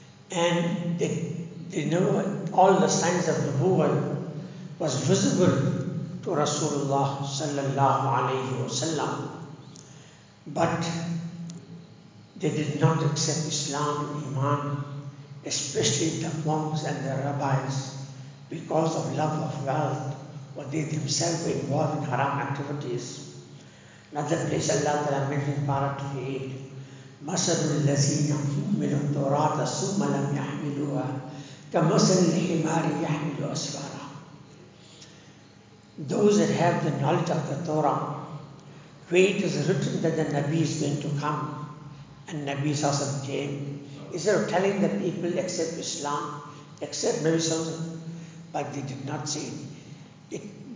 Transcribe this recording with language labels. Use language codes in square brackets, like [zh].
[en] And they knew all the signs of Nubuwwah was visible to Rasulullah sallallahu alayhi wa sallam. But they did not accept Islam and Iman, especially the monks and the rabbis, because of love of wealth, or they themselves were involved in haram activities. Another place Allah Ta'ala mentioned in Parah 28, [ar] مَسَلُ الَّذِينَ حُمِّلُوا التَّوْرَاةَ ثُمَّ لَمْ يَحْمِلُوهَا كَمَسَلِ الْحِمَارِ يَحْمِلُ أَسْفَارًا. [en] Those that have the knowledge of the Torah, where it is written that the Nabi is going to come, and Nabi Sassam came, instead of telling the people accept Islam, accept Nabi Sassam, but they did not say it.